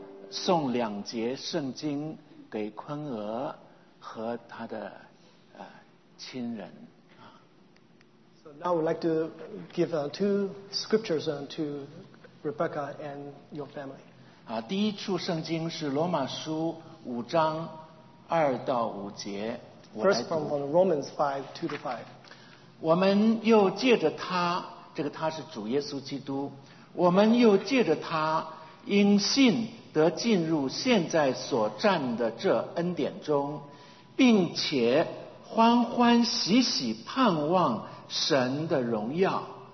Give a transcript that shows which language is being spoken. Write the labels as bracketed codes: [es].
[zh] 送两节圣经给坤娥和他的亲人。 [en] So now I would like to give two scriptures to Rebecca and your family. [zh] 第一处圣经是罗马书五章二到五节。 [en] First from Romans 5:2-5. [zh] 我们又借着他，这个他是主耶稣基督，我们又借着他因信得进入现在所站的这恩典中，并且欢欢喜喜盼望神的荣耀。